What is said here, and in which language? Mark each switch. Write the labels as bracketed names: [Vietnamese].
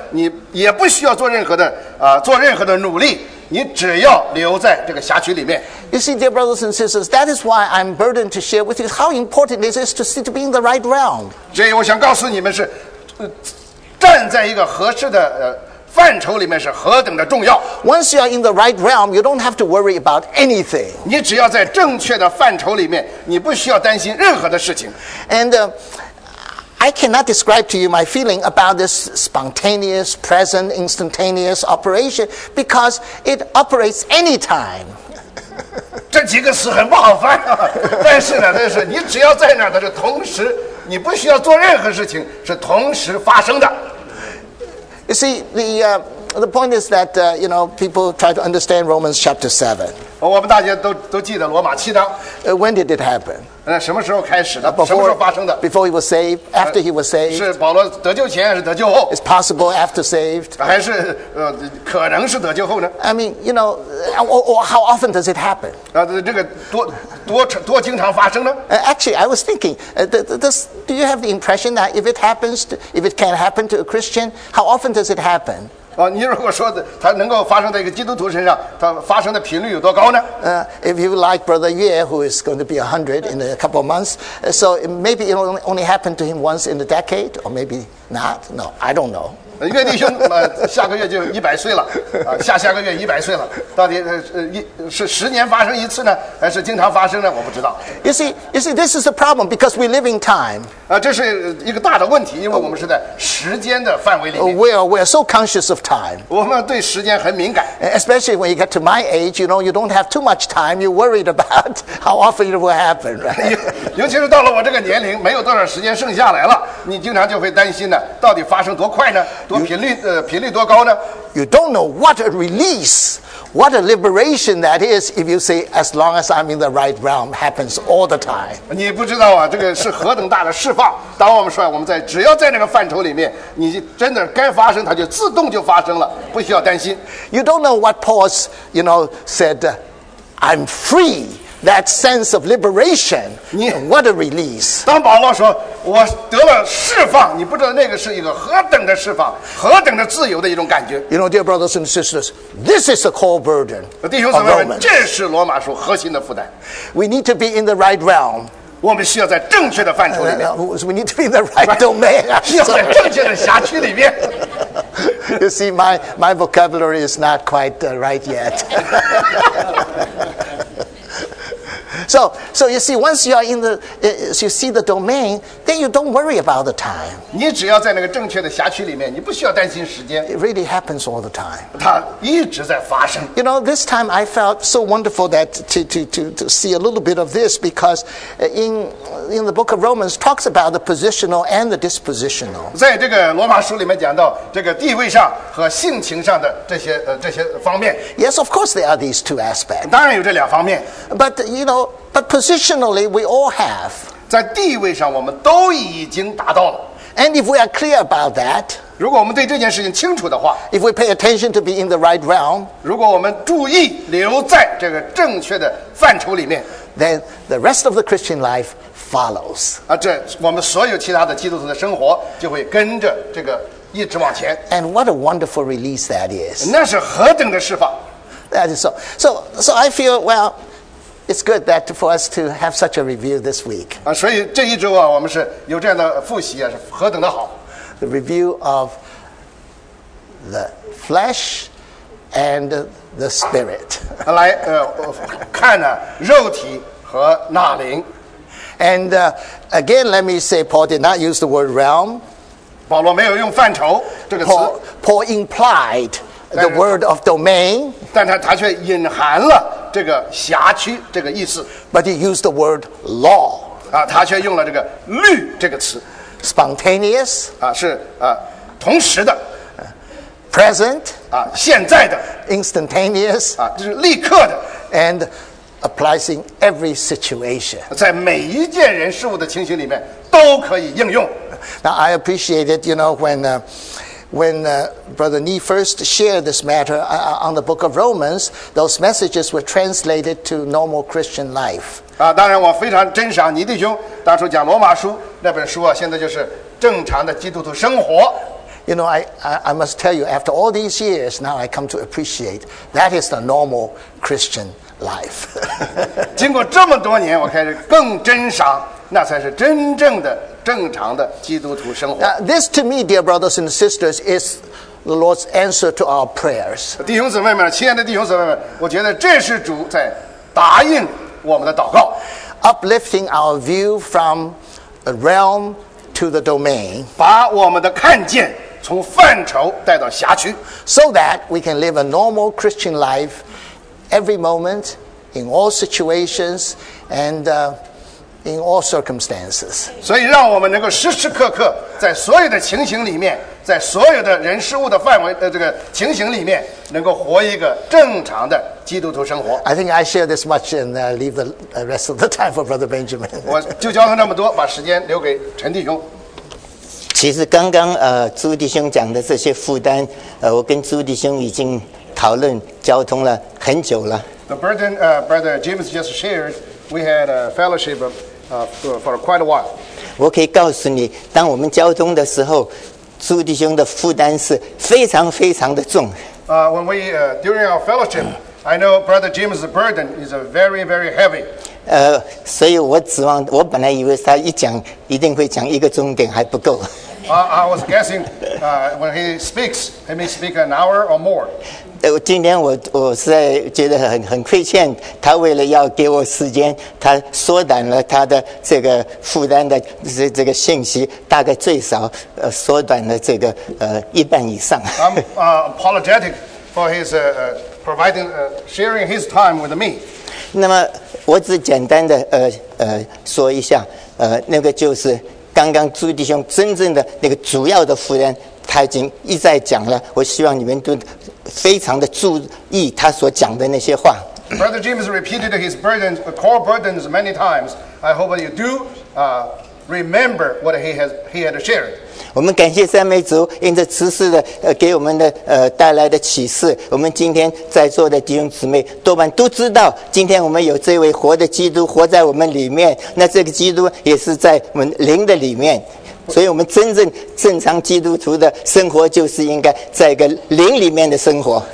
[Chinese] 你也不需要做任何的努力。你只要留在这个辖区里面。 [English] You see, dear brothers and sisters, that is why I'm burdened to share with you how important it is to be in the right realm. [Chinese] 这我想告诉你们是，站在一个合适的范畴里面是何等的重要。 [English] Once you are in the right realm, you don't have to worry about anything. [Chinese] 你只要在正确的范畴里面，你不需要担心任何的事情。 [English] And I cannot describe to you my feeling about this spontaneous, present, instantaneous operation because it operates anytime. [Chinese] 这几个词很不好翻啊，但是呢，但是你只要在那儿，它是同时，你不需要做任何事情，是同时发生的。 [English] You see, the point is that, you know, people try to understand Romans chapter 7. [Chinese] 我们大家都记得罗马七章。 [English] When did it happen? [Chinese] 什么时候开始的？什么时候发生的？ [English] Before he was saved, after he was saved. [Chinese] 是保罗得救前还是得救后？ [English] It's possible after saved. [Chinese] 还是可能是得救后呢？ [English] I mean, you know, or how often does it happen? [Chinese] 这个多经常发生呢？ [English] Actually, I was thinking, do you have the impression that if it happens, if it can happen to a Christian, how often does it happen? [Chinese] 你如果说的它能够发生在一个基督徒身上，它发生的频率有多高呢？ [English] If you like Brother Yue, who is going to be 100 in a couple of months, so maybe it only happened to him once in a decade, or maybe not. No, I don't know. [Chinese] 岳弟兄，下个月就100岁了，下个月100岁了，到底是10年发生一次呢，还是经常发生呢？我不知道。 [English] You see, this is a problem because we live in time. [Chinese] 这是一个大的问题，因为我们是在时间的范围里面。 [English] We are so conscious of time. [Chinese] 我们对时间很敏感。 [English] Especially when you get to my age, you know, you don't have too much time. You're worried about how often it will happen, right? [Chinese] 尤其是到了我这个年龄，没有多少时间剩下来了，你经常就会担心呢，到底发生多快呢？频率多高呢？ [English] You don't know what a release, what a liberation that is if you say as long as I'm in the right realm happens all the time. [Chinese] 你不知道啊，这个是何等大的释放。当我们说我们在只要在那个范畴里面，你真的该发生它就自动就发生了，不需要担心。 [English] You don't know what Paul's, you know, said, I'm free. That sense of liberation, what a release! [Chinese] 当保罗说我得了释放，你不知道那个是一个何等的释放，何等的自由的一种感觉。 [English] You know, dear brothers and sisters, this is the core burden. [Chinese] 弟兄姊妹们，这是罗马书核心的负担。 [English] We need to be in the right realm. [Chinese] 我们需要在正确的范畴里面。 [English] We need to be in the right domain. [Chinese] 需要在正确的辖区里面。 [English] You see, my vocabulary is not quite right yet. So you see, once you are in the, you see the domain, then you don't worry about the time. [Chinese] 你只要在那个正确的辖区里面，你不需要担心时间。 [English] It really happens all the time. [Chinese] 它一直在发生。 [English] You know, this time I felt so wonderful that to see a little bit of this because in the book of Romans talks about the positional and the dispositional. [Chinese] 在这个罗马书里面讲到这个地位上和性情上的这些方面。 [English] Yes, of course there are these two aspects. [Chinese] 当然有这两方面。 [English] But you know. But positionally, we all have. [Chinese] 在地位上，我们都已经达到了。 [English] And if we are clear about that, [Chinese] 如果我们对这件事情清楚的话 [English] ，if we pay attention to be in the right realm, [Chinese] 如果我们注意留在这个正确的范畴里面 [English] ，then the rest of the Christian life follows. [Chinese] 这我们所有其他的基督徒的生活就会跟着这个一直往前。 [English] And what a wonderful release that is! [Chinese] 那是何等的释放 [English] ！That is so. So I feel well. It's good that for us to have such a review this week. [Chinese] 所以这一周啊，我们是有这样的复习啊，是何等的好。 [English] The review of the flesh and the spirit. [Chinese] 来，看呢、啊，肉体和那灵。 [English] And again, let me say, Paul did not use the word realm. [Chinese] 保罗没有用范畴这个词。 [English] Paul implied the word of domain. [Chinese] 但他却隐含了。这个辖区这个意思 [English] ，but he used the word law [Chinese] 啊，他却用了这个律这个词 [English] ，spontaneous [Chinese] 啊是啊同时的 [English] ，present [Chinese] 啊现在的 [English] ，instantaneous [Chinese] 啊就是立刻的 [English] ，and applies in every situation [Chinese] 在每一件人事物的情形里面都可以应用。 [English] Now I appreciate it, you know when Brother Nee first shared this matter on the Book of Romans, those messages were translated to normal Christian life. [Chinese] 当然我非常珍赏倪弟兄当初讲罗马书那本书啊，现在就是正常的基督徒生活。 [English] You know, I must tell you, after all these years, now I come to appreciate that is the normal Christian life. [Chinese] 经过这么多年，我开始更珍赏那才是真正的正常的基督徒生活。 [English] Now, this to me, dear brothers and sisters, is the Lord's answer to our prayers. [Chinese] 弟兄姊妹们，亲爱的弟兄姊妹们，我觉得这是主在答应我们的祷告。 [English] Uplifting our view from the realm to the domain. [Chinese] 把我们的看见从范畴带到辖区。 [English] So that we can live a normal Christian life every moment, in all situations, and in all circumstances. [Chinese] 所以让我们能够时时刻刻在所有的情形里面，在所有的人事物的范围这个情形里面，能够活一个正常的基督徒生活。 [English] I think I share this much and leave the rest of the time for Brother Benjamin. [Chinese] 我就教他那么多，把时间留给陈弟兄。其实刚刚朱弟兄讲的这些负担，我跟朱弟兄已经讨论交通了很久了。 [English] The burden Brother James just shared. We had a fellowship for quite a while. [Chinese] 我可以告诉你，当我们交通的时候，朱弟兄的负担是非常非常的重。 [English] When we during our fellowship, I know Brother James' burden is very, very heavy. [Chinese] 所以我指望，我本来以为他一讲一定会讲一个钟点还不够。 [English] I was guessing when he speaks, he may speak an hour or more. [Chinese] 今天我实在觉得很亏欠他，为了要给我时间，他缩短了他的这个负担的这个信息，大概最少缩短了这个一半以上。 [English] I'm apologetic for his providing sharing his time with me. [Chinese] 那么我只简单的说一下，那个就是刚刚朱弟兄真正的那个主要的负担。他已经一再讲了，我希望你们都非常的注意他所讲的那些话。 [English] Brother James repeated his burdens, core burdens, many times. I hope you do remember what he had shared. [Chinese] 我们感谢赞美主，因着慈事的给我们的带来的启示，我们今天在座的弟兄姊妹多半都知道，今天我们有这位活的基督活在我们里面，那这个基督也是在我们灵的里面。所以我们真正正常基督徒的生活就是应该在一个灵里面的生活。